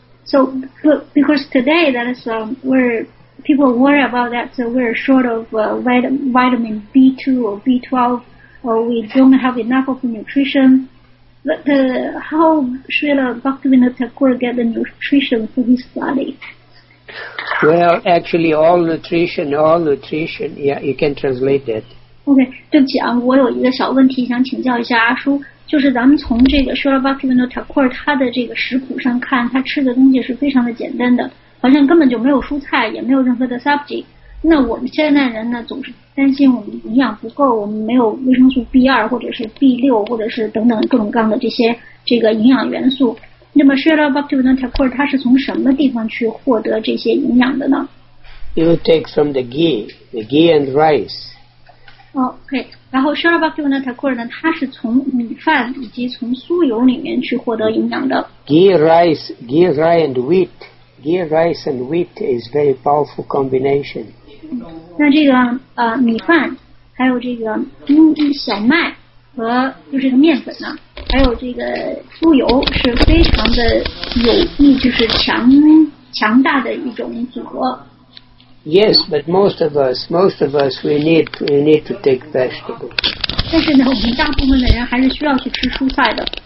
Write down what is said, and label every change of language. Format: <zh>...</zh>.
<en>So, because today that is where people worry about that, so we're short of vitamin B2 or B12, or we don't have enough of nutrition. But how Srila Bhaktivinoda Thakur get the nutrition for his body? Well, actually, all nutrition, yeah, you can translate that.</en> <zh>Okay, 对不起啊，我有一个小问题想请教一下阿叔。就是咱们从这个 Srila Bhaktivinoda Thakur 他的这个食谱上看，他吃的东西是非常的简单的，好像根本就没有蔬菜，也没有任何的 sabji。那我们现代人呢，总是担心我们营养不够，我们没有维生素 B2 或者是 B6 或者是等等各种各样的这些这个营养元素。那么 Srila Bhaktivinoda Thakur 他是从什么地方去获得这些营养的呢？</zh> <en>You take from the ghee and rice.</en> <zh>Okay. 然后 Srila Bhaktivinoda Thakur 呢，他是从米饭以及从酥油里面去获得营养的。</zh> <en>Ghee, rice and wheat is very powerful combination.</en> <zh>那这个米饭，还有这个小麦和就是面粉呢，还有这个酥油是非常的有益，就是强大的一种组合。</zh> <en>Yes, but most of us, we need to take vegetables.</en> <zh>但是呢，我们大部分的人还是需要去吃蔬菜的。</zh>